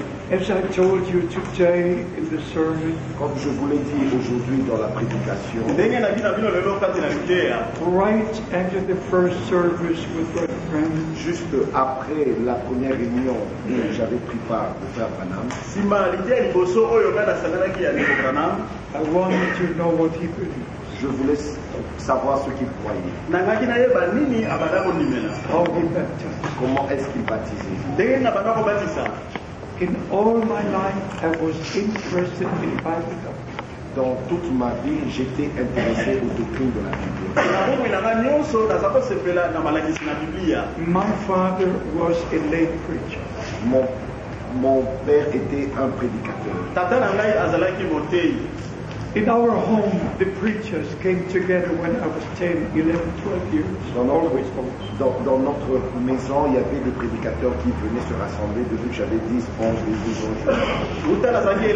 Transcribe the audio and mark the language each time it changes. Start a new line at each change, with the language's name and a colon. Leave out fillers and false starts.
English: As I told you today in the sermon,
French: comme je vous l'ai dit aujourd'hui dans la prédication,
English: right after the first service with my friend,
French: juste après la première réunion où j'avais pris part de Frère Branham,
English: I wanted to know what he believed.
French: Je voulais savoir ce qu'il croyait. Comment est-ce qu'il baptisait?
English: In all my life, I was interested in Bible.
French: Dans toute ma vie, j'étais intéressé aux doctrines de la
English: Bible. My father was a lay preacher.
French: Mon père était un prédicateur.
English: In our home, the preachers came together when I was 10, 11, 12 years.
French: Dans notre maison, il y avait des prédicateurs qui venaient se rassembler depuis que j'avais 10, 11, 12 ans.